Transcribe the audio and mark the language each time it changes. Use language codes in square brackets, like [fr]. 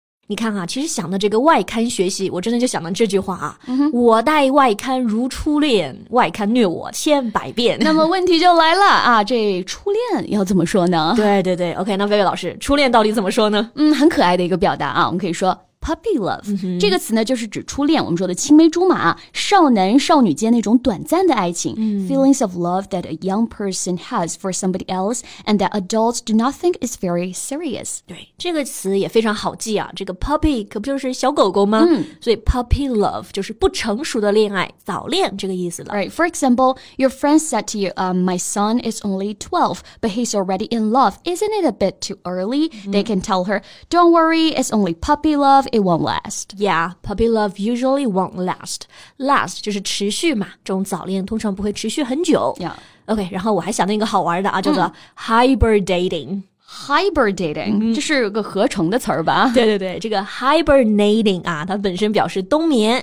[zh] 你看啊，其实想到这个外刊学习，我真的就想到这句话啊，我待外刊如初恋，外刊虐我千百遍。那么问题就来了啊，这初恋要怎么说呢？对对对， OK, 那贝贝老师，初恋到底怎么说呢？很可爱的一个表达啊，我们可以说 [en] puppy love、mm-hmm. [zh] 这个词呢就是指初恋，我们说的青梅竹马，少男少女间那种短暂的爱情、 mm-hmm. [en] Feelings of love that a young person has for somebody else and that adults do not think is very serious. [zh] 对，这个词也非常好记啊，这个 puppy 可不就是小狗狗吗、 mm. 所以 puppy love 就是不成熟的恋爱，早恋这个意思了。 [en] Right, for example, your friend said to you、my son is only 12 but he's already in love. Isn't it a bit too early?、 Mm-hmm. They can tell her, don't worry, it's only puppy love, it won't last. Yeah, puppy love usually won't last. [zh] Last 就是持续嘛，这种早恋通常不会持续很久。 [en] Yeah. [zh] OK, 然后我还想到一个好玩的啊，叫做 hibernating。 [en] Hibernating、 mm-hmm. [zh] 这是个合成的词儿吧，对对对，这个 hibernating 啊，它本身表示冬眠、